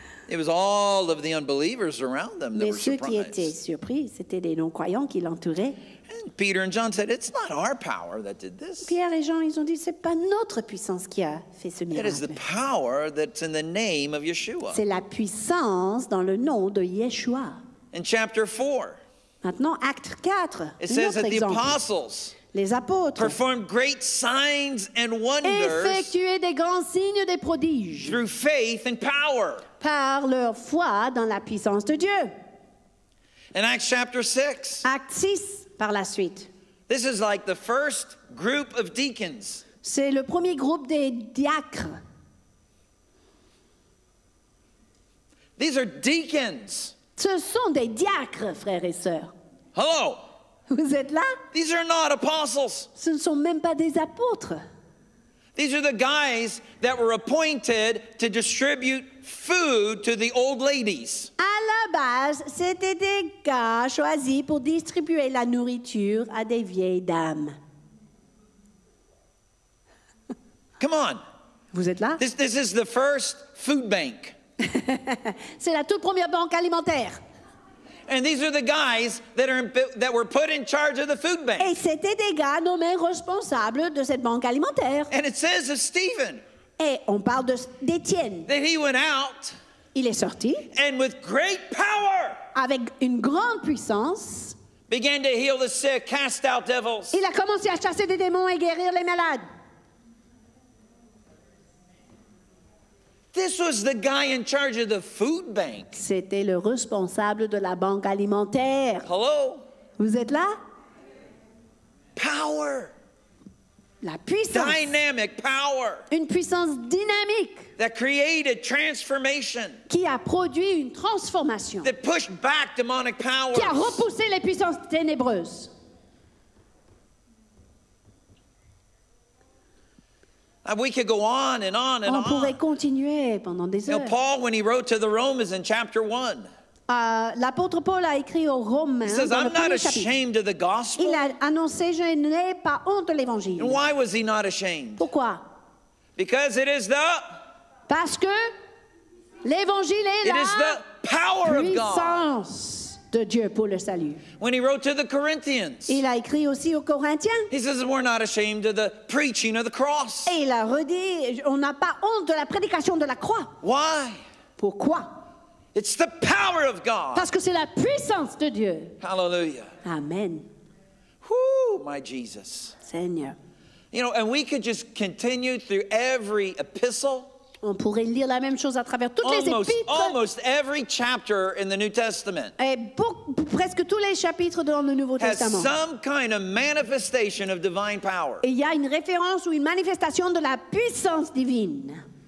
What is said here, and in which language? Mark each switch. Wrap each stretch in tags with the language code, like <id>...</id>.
<en>It was all of the unbelievers around them that</en> <fr>Mais</fr> <en>were surprised.</en> <fr>Mais ceux qui étaient surpris, c'était des non-croyants qui l'entouraient.</fr> <en>And Peter and John said, "It's not our power that did this."</en> <fr>Pierre et Jean, ils ont dit, c'est pas notre puissance qui a fait ce miracle.</fr> <en>It is the power that's in the name of Yeshua.</en> <fr>C'est la puissance dans le nom de Yeshua.</fr> <en>In chapter 4.</en> <fr>Maintenant, acte 4.</fr> <en>It says that</en> <fr>exemple.</fr> <en>The apostles.</en> <fr>Les apôtres</fr> <en>performed great signs and wonders</en> <fr>effectuaient des grands signes des prodiges</fr> <en>through faith and power.</en> <fr>Par leur foi dans la puissance de Dieu.</fr> <en>In Acts chapter 6.</en> <fr>Acte 6 par la suite.</fr> <en>This is like the first group of deacons.</en> <fr>C'est le premier groupe des diacres.</fr> <en>These are deacons.</en> <fr>Ce sont des diacres, frères et sœurs.</fr> <en>Hello.</en> <fr>Vous êtes là?</fr> <en>These are not apostles.</en> <fr>Ce ne sont même pas des apôtres.</fr> <en>These are the guys that were appointed to distribute food to the old ladies.</en> <fr>À la base, c'était des gars choisis pour distribuer la nourriture à des vieilles dames.</fr> <en>Come on.</en> <fr>Vous êtes là?</fr> <en>This is the first food bank.</en> <fr>C'est la toute première banque alimentaire.</fr> <en>And these are the guys that were put in charge of the food bank.</en> <fr>Et c'était des gars nommés responsables de cette banque alimentaire.</fr> <en>And it says of Stephen.</en> <fr>Et on parle de d'Étienne.</fr> <en>That he went out.</en> <fr>Il est sorti.</fr> <en>And with great power.</en> <fr>Avec une grande puissance.</fr> <en>Began to heal the sick, cast out devils.</en> <fr>Il a commencé à chasser des démons et guérir les malades.</fr> <en>This was the guy in charge of the food bank.</en> <fr>C'était le responsable de la banque alimentaire.</fr> <en>Hello?</en> <fr>Vous êtes là?</fr> <en>Power.</en> <fr>La puissance.</fr> <en>Dynamic power.</en> <fr>Une puissance dynamique.</fr> <en>That created transformation.</en> <fr>Qui a produit une transformation.</fr> <en>That pushed back demonic powers.</en> <fr>Qui a repoussé les puissances ténébreuses.</fr> <en>We could go on and on and</en> <fr>on. On pourrait continuer pendant des heures.</fr> <en>Paul, when he wrote to the Romans in chapter 1.</en> <fr>L'apôtre Paul a écrit aux Romains.</fr> <en>He says, I'm not ashamed of the gospel.</en> <fr>Il a annoncé, je n'ai pas honte de l'évangile.</fr> <en>And why was he not ashamed?</en> <fr>Pourquoi?</fr> <en>Because it is the...</en> <fr>Parce que l'évangile est</fr> <en>it</en> <fr>la</fr> <en>is the power</en> <fr>puissance</fr> <en>of God.</en> <fr>De Dieu pour le salut.</fr> <en>When he wrote to the Corinthians,</en> <fr>il a écrit aussi aux Corinthiens.</fr> <en>He says, we're not ashamed of the preaching of the cross.</en> <fr>Et il a redit, on n'a pas honte de la prédication de la croix.</fr> <en>Why?</en> <fr>Pourquoi?</fr> <en>It's the power of God.</en> <fr>Parce que c'est la puissance de Dieu.</fr> <en>Hallelujah.</en> <fr>Amen.</fr> <en>Woo, my Jesus.</en> <fr>Seigneur.</fr> <en>You know, and we could just continue through every epistle.</en> <fr>On pourrait lire la même chose à travers toutes</fr> <en>almost,</en> <fr>les épîtres.</fr> <en>Almost every chapter in the New Testament.</en> <fr>Et presque tous les chapitres dans le Nouveau</fr> <en>has</en> <fr>Testament.</fr> <en>Some kind of manifestation of divine power.</en> <fr>Et il y a une référence ou une manifestation de la puissance divine.</fr>